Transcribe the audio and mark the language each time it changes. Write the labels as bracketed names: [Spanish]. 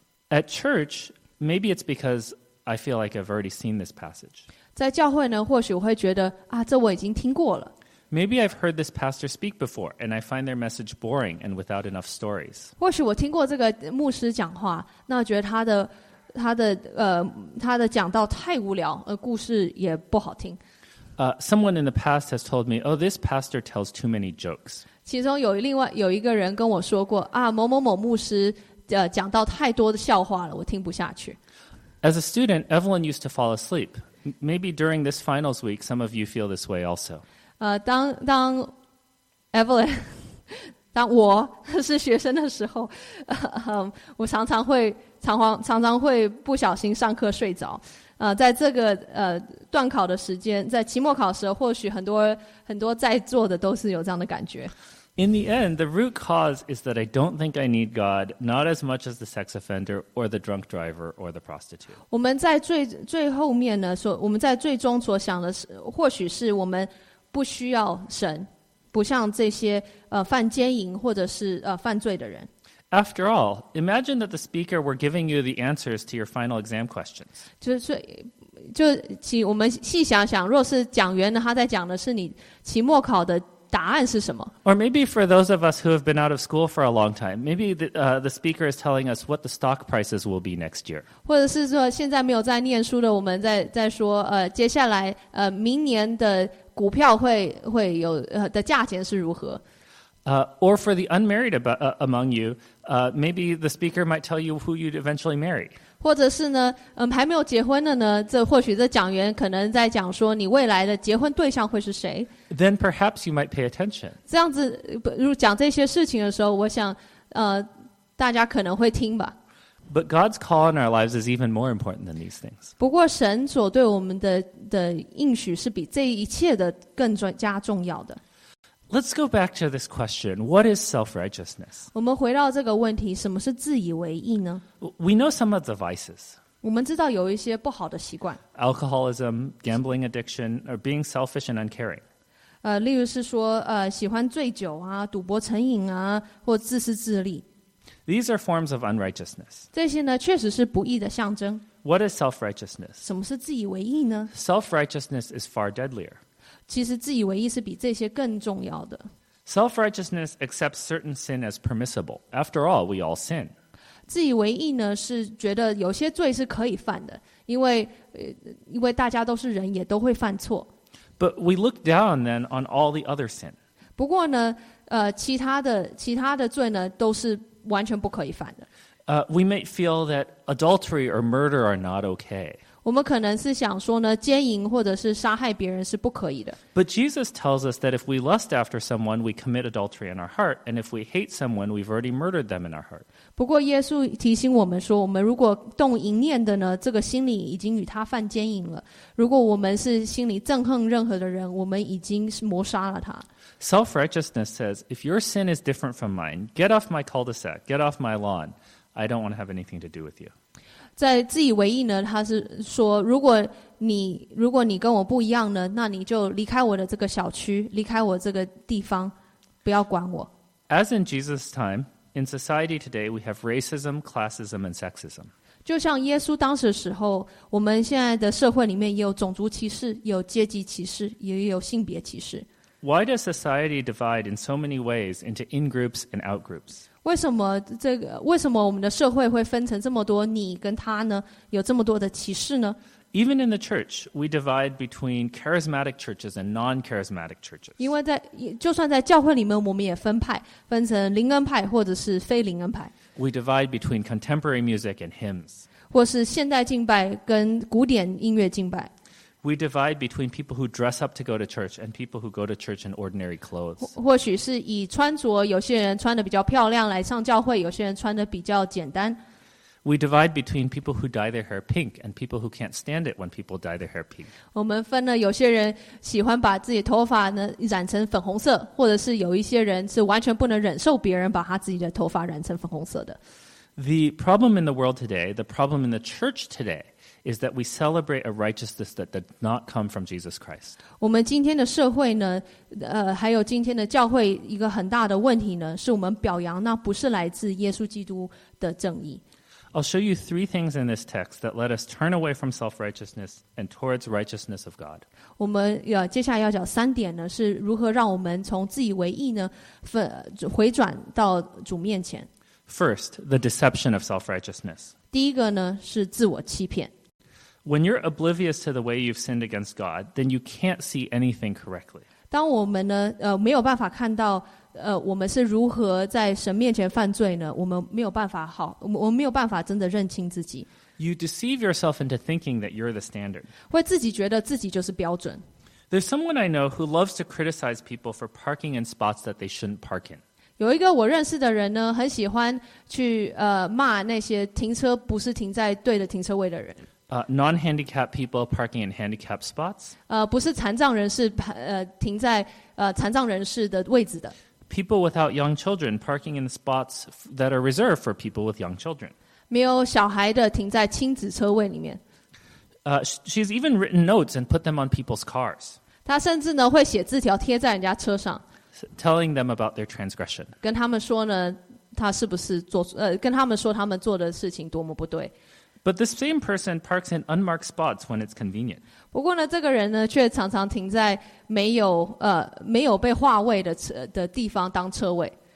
[English] At church, maybe it's because I feel like I've already seen this passage. [Chinese] 在教会呢，或许我会觉得啊，这我已经听过了。 [English] Maybe I've heard this pastor speak before, and I find their message boring and without enough stories. [Chinese] 或许我听过这个牧师讲话，那觉得他的讲道太无聊，故事也不好听。 [English] Someone in the past has told me, "Oh, this pastor tells too many jokes." [Chinese] 其中有一个人跟我说过啊，某某某牧师讲道太多的笑话了，我听不下去。 [English] As a student, Evelyn used to fall asleep. Maybe during this finals week, some of you feel this way also. [Chinese] 当 Evelyn 当我是学生的时候，我常常会。常常会不小心上课睡着。在这个段考的时间，在期末考时，或许很多在座的都是有这样的感觉。 [English] In the end, the root cause is that I don't think I need God, not as much as the sex offender or the drunk driver or the prostitute. [Chinese] 我们在最后面呢，我们在最终所想的是，或许是我们不需要神，不像这些犯奸淫或者是犯罪的人。 [English] After all, imagine that the speaker were giving you the answers to your final exam questions. [Chinese] 就请我们细想想，若是讲员呢，他在讲的是你期末考的答案是什么？ [English] Or maybe for those of us who have been out of school for a long time, maybe the speaker is telling us what the stock prices will be next year. [Chinese] 或者是说现在没有在念书的我们在说接下来明年的股票会有的价钱是如何？ [English] Or for the unmarried among you, maybe the speaker might tell you who you'd eventually marry. [Chinese] 或者是呢，还没有结婚的呢，这或许这讲员可能在讲说你未来的结婚对象会是谁。 [English] Then perhaps you might pay attention. [Chinese] 这样子，如果讲这些事情的时候，我想，大家可能会听吧。 [English] But God's call in our lives is even more important than these things. [Chinese] 不过神所对我们的应许是比这一切的更加重要的。 [English] Let's go back to this question. What is self-righteousness? [Chinese] 我们回到这个问题，什么是自以为意呢？ [English] We know some of the vices. [Chinese] 我们知道有一些不好的习惯。 [English] Alcoholism, gambling addiction, or being selfish and uncaring. [Chinese] 例如是说喜欢醉酒啊，赌博成瘾啊，或自私自利。 [English] These are forms of unrighteousness. [Chinese] 这些呢，确实是不义的象征。 [English] What is self-righteousness? [Chinese] 什么是自以为意呢？ [English] Self-righteousness is far deadlier. [Chinese] 其实自以为意是比这些更重要的。 [English] Self-righteousness accepts certain sin as permissible. After all, we all sin. [Chinese] 自以为意呢，是觉得有些罪是可以犯的，因为大家都是人，也都会犯错。 [English] But we look down then on all the other sin. [Chinese] 不过呢，其他的罪呢，都是完全不可以犯的。 [English] We may feel that adultery or murder are not okay. [Chinese] 我们可能是想说呢，奸淫或者是杀害别人是不可以的。 [English] But Jesus tells us that if we lust after someone, we commit adultery in our heart, and if we hate someone, we've already murdered them in our heart. [Chinese] 不过耶稣提醒我们说，我们如果动淫念的呢，这个心里已经与他犯奸淫了。如果我们是心里憎恨任何的人，我们已经是谋杀了他。 [English] Self-righteousness says, if your sin is different from mine, get off my cul-de-sac, get off my lawn. I don't want to have anything to do with you. [Chinese] 在自以为意呢，他是说，如果你跟我不一样呢，那你就离开我的这个小区，离开我这个地方，不要管我。 [English] As in Jesus' time, in society today, we have racism, classism, and sexism. [Chinese] 就像耶稣当时的时候，我们现在的社会里面也有种族歧视，有阶级歧视，也有性别歧视。 [English] Why does society divide in so many ways into in-groups and out-groups? [Chinese] 为什么我们的社会会分成这么多你跟他呢？有这么多的歧视呢？ [English] Even in the church, we divide between charismatic churches and non-charismatic churches. [Chinese] 因为就算在教会里面，我们也分派，分成灵恩派或者是非灵恩派。 [English] We divide between contemporary music and hymns. [Chinese] 或是现代敬拜跟古典音乐敬拜。 [English] We divide between people who dress up to go to church and people who go to church in ordinary clothes. [Chinese] 或许是以穿着，有些人穿得比较漂亮来上教会，有些人穿得比较简单。 [English] We divide between people who dye their hair pink and people who can't stand it when people dye their hair pink. [Chinese] 我们分了，有些人喜欢把自己头发呢染成粉红色，或者是有一些人是完全不能忍受别人把他自己的头发染成粉红色的。 [English] The problem in the world today, the problem in the church today,is that we celebrate a righteousness that did not come from Jesus Christ. [Chinese] 我们今天的社会呢，还有今天的教会一个很大的问题呢，是我们表扬那不是来自耶稣基督的正义。 [English] I'll show you three things in this text that let us turn away from self-righteousness and towards righteousness of God. [Chinese] 我们接下来要讲三点呢，是如何让我们从自以为意呢，回转到主面前。 [English] First, the deception of self-righteousness. [Chinese] 第一个呢，是自我欺骗。 [English] When you're oblivious to the way you've sinned against God, then you can't see anything correctly. [Chinese] 当我们呢，没有办法看到，我们是如何在神面前犯罪呢？我们没有办法好，我们没有办法真的认清自己。 [English] You deceive yourself into thinking that you're the standard. [Chinese] 会自己觉得自己就是标准。 [English] There's someone I know who loves to criticize people for parking in spots that they shouldn't park in. [Chinese] 有一个我认识的人呢，很喜欢去骂那些停车不是停在对的停车位的人。 [English] Non-handicapped people parking in handicapped spots. [Chinese] 不是残障人士停在残障人士的位置的。 [English] People without young children parking in spots that are reserved for people with young children. [Chinese] 没有小孩的停在亲子车位里面。 [English] She's even written notes and put them on people's cars. [Chinese] 她甚至呢会写字条贴在人家车上。 [English] Telling them about their transgression. [Chinese] 跟他们说呢，他是不是做跟他们说他们做的事情多么不对。 [English] But this same person parks in unmarked spots when it's convenient. [Chinese] 不过呢，这个人呢，却常常停在没有被划位的地方当车位。